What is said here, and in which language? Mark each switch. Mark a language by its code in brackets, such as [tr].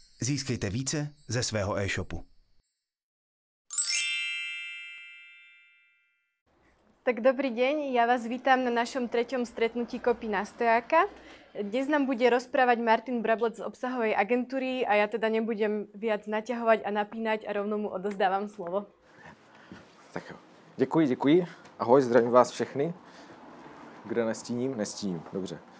[cs] Získejte více ze svého e-shopu. [sk] Tak dobrý deň, ja vás vítam na našom treťom stretnutí Kopy na stojáka. Dnes nám bude rozprávať Martin Brablec z obsahovej agentúry a ja teda nebudem viac naťahovať a napínať a rovno mu odozdávam slovo. [cs] Tak jo. Děkuji, děkuji. Ahoj, zdravím vás všechny. Kde nestíním? Nestíním, dobře.